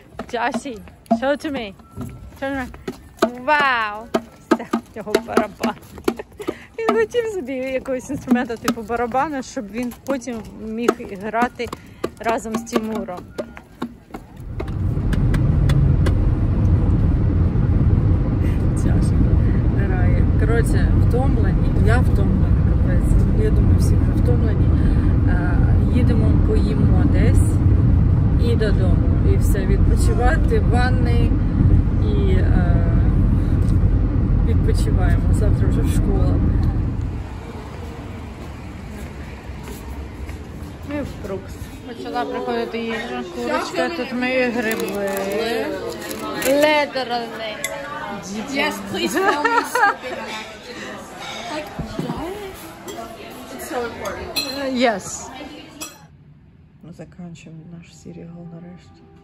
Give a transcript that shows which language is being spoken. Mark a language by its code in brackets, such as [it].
[en] Джасі, show to me. Turn around. Вау! [uk] Його барабан. Він хотів собі якогось інструмента, типу барабана, щоб він потім міг грати разом з Тимуром. Тяжко грає. Коротше, втомлені. Я втомлена, капець. Я думаю, всі вже втомлені. Їдемо, поїмо десь і додому. І все, відпочивати, ванни і... відпочиваємо. Завтра вже школа. Ми в Брукс. Почала приходити їжа. Курочка, тут мої гриби. [en] Literally. [uk] Діти. [en] Yes, please tell me something. Like, it's so important. Yes. [uk] Ми закінчуємо наш серіал нарешті.